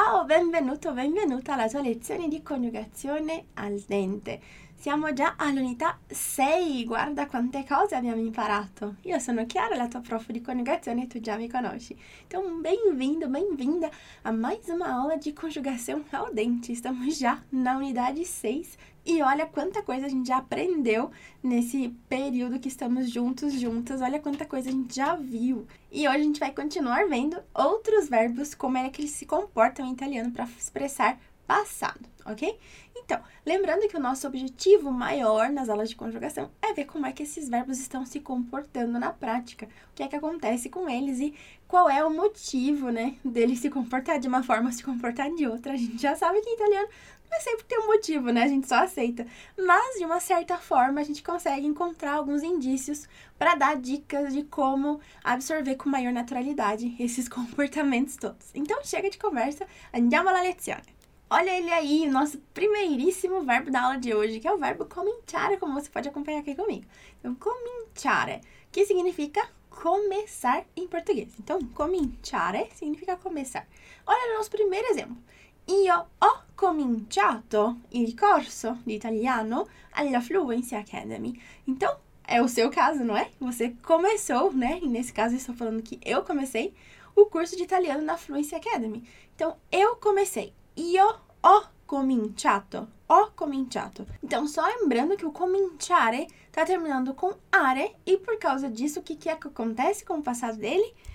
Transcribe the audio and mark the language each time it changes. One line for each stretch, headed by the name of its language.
Italian: benvenuto o benvenuta alla tua lezione di coniugazione al dente. Siamo già all'unità 6, guarda quante cose abbiamo imparato. Io sono Chiara, la tua prof di coniugazione e tu già mi conosci.
Portuguese: Então, bem-vindo, bem-vinda a mais uma aula de conjugação ao dente. Estamos já na unidade 6 e olha quanta coisa a gente já aprendeu nesse período que estamos juntos, juntas. Olha quanta coisa a gente já viu. E hoje a gente vai continuar vendo outros verbos, como é que eles se comportam em italiano para expressar passado, ok? Então, lembrando que o nosso objetivo maior nas aulas de conjugação é ver como é que esses verbos estão se comportando na prática, o que é que acontece com eles e qual é o motivo, né, deles se comportar de uma forma ou se comportar de outra. A gente já sabe que em italiano não é sempre ter um motivo, né? A gente só aceita. Mas, de uma certa forma, a gente consegue encontrar alguns indícios para dar dicas de como absorver com maior naturalidade esses comportamentos todos. Então, chega de conversa,
Italian: andiamo alla lezione!
Portuguese: Olha ele aí, o nosso primeiríssimo verbo da aula de hoje, que é o verbo cominciare, como você pode acompanhar aqui comigo. Então, cominciare, que significa começar em português. Então, cominciare significa começar. Olha o nosso primeiro exemplo.
Italian: Io ho cominciato il corso di italiano alla Fluency Academy.
Portuguese: Então, é o seu caso, não é? Você começou, né? E nesse caso, estou falando que eu comecei o curso de italiano na Fluency Academy. Então, eu comecei.
Italian: Io ho cominciato.
Portuguese: Então, só lembrando que o cominciare está terminando com are, e por causa disso, o que que é que acontece com o passado dele?